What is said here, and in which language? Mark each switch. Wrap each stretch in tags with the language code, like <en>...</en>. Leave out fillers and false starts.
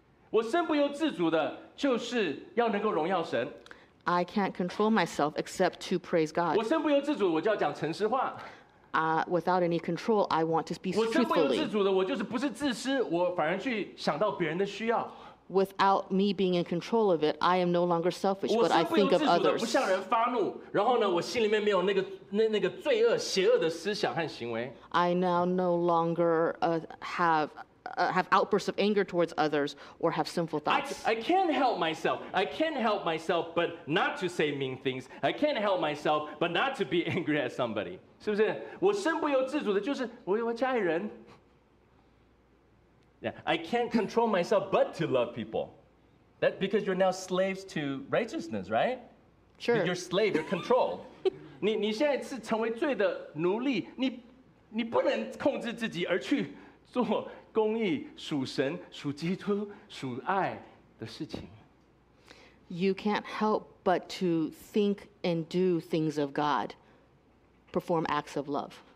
<zh>我身不由自主的就是要能够荣耀神。</zh> <en>I can't control myself except to praise God.</en> <zh>我身不由自主，我就要讲诚实话。</zh> <en>Without any control, I want to speak truthfully.</en> <zh>我身不由自主的，我就是不是自私，我反而去想到别人的需要。</zh> <en>Without me being in control of it, I am no longer selfish, but I think of others.</en> <zh>我身不由自主的不向人发怒，然后呢，我心里面没有那个罪恶、邪恶的思想和行为。</zh> <en>I now no longer have outbursts of anger towards others or have sinful thoughts. I can't help myself. I can't help myself, but not to say mean things. I can't help myself, but not to be angry at somebody.</en> <zh>是不是？我身不由自主的，就是我家里人。</zh> <en>Yeah, I can't control myself but to love people. That because you're now slaves to righteousness, right? Sure. You're slave. You're controlled.</en> <zh>你现在是成为罪的奴隶。你不能控制自己而去做公义、属神、属基督、属爱的事情。</zh> <en>You can't help but to think and do things of God, perform acts of love.</en>